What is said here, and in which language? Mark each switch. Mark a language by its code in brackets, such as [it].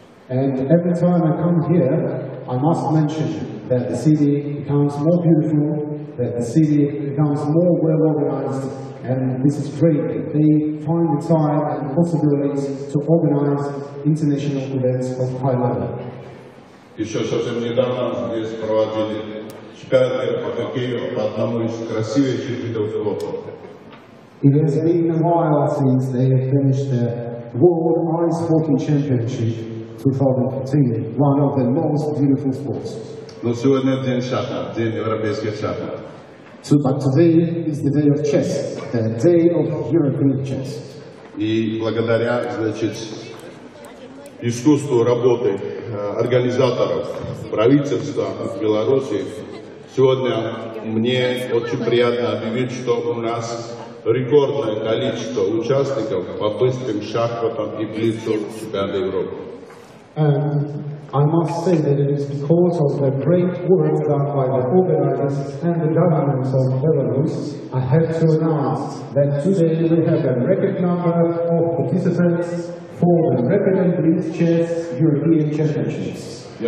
[en] And every time I come here, I must mention that the city becomes more beautiful, that the city becomes more well organized, and this is great. They find the time and possibilities to organize international events of high level. [ru] Еще совсем недавно здесь проводили чемпионат по хоккею по одному из красивейших видов спорта. [en] It has been a while since they have finished the World Ice Hockey Championship 2015, one of the most beautiful sports. [ru] Но сегодня день шахмат, день европейских шахмат. [en] So, but today is the day of chess, the day of European chess. [ru] И благодаря, значит, искусству работы организаторов, правительства Беларуси, сегодня мне очень приятно объявить, что у нас рекордное количество участников по быстрым шахматам и блицу чемпионата Европы. [en] And I must say that it is because of the great work done by the organizers and the governments of Belarus, I have to announce that today we have a record number of participants for the record and blitz chess European Championships.